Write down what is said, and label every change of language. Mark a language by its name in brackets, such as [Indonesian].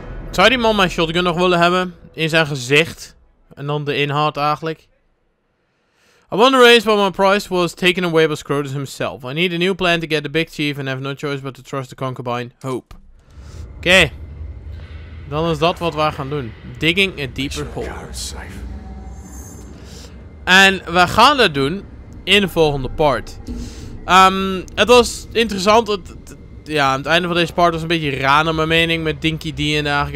[Dutch] Zou die man mijn shotgun nog willen hebben? In zijn gezicht. En dan de inhoud eigenlijk. [English] I won the race, but my prize was taken away by Scrotus himself. I need a new plan to get the big chief and have no choice but to trust the concubine. [Dutch] Hope. Oké. Okay. Dan is dat wat wij gaan doen. [English] Digging a deeper hole. [Dutch] En we gaan dat doen in de volgende part. Het was interessant. Ja, aan het einde van deze part was een beetje raar naar mijn mening met Dinky D en eigenlijk.